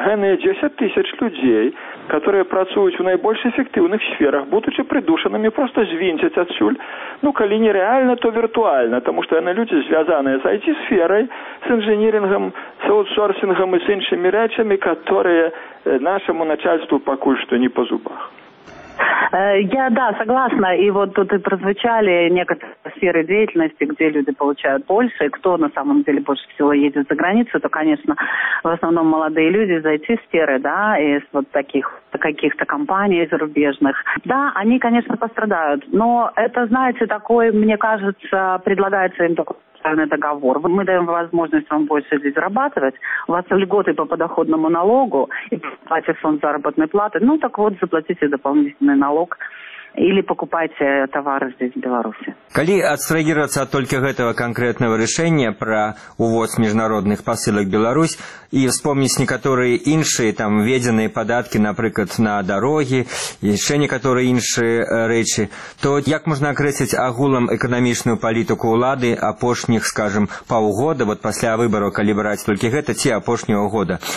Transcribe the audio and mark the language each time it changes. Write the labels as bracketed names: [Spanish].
[Belarusian] Гэныя 10 тысяч людзей, которые працуюць у найбольш эфектыўных сферах, будучы прыдушанымі, просто звінцяць адсюль. Ну, калі не рэальна, то віртуальна, таму што яны людзі, звязаныя з IT-сферай, з інжынірингам, з аутсорсингам і з іншымі рэчамі, которые нашаму начальству пакуль што не па зубах. [Russian] Я, да, согласна, и вот тут и прозвучали некоторые сферы деятельности, где люди получают больше, и кто на самом деле больше всего едет за границу, то, конечно, в основном молодые люди из IT-сферы, да, из вот таких каких-то компаний зарубежных. Да, они, конечно, пострадают, но это, знаете, такой, мне кажется, предлагается им такой социальный договор. Мы даем возможность вам больше здесь зарабатывать, у вас льготы по подоходному налогу, и платите фонд заработной платы, ну так вот, заплатите дополнительный налог или покупайте товары здесь, в Беларуси. [Belarusian] Калі абстрагіравацца ад толькі гэтага канкрэтнага рашэння пра увоз міжнародных пасылак Беларусь і вспомніць некаторыя іншыя там введзеныя падаткі, напрыклад, на дарогі, яшчэ некаторыя іншыя рэчы, то як можна акрэсіць агулам эканамічную палітыку ўлады апошніх, скажам, паўгода, вот пасля выбару, калі браць толькі гэта, ці апошняга года?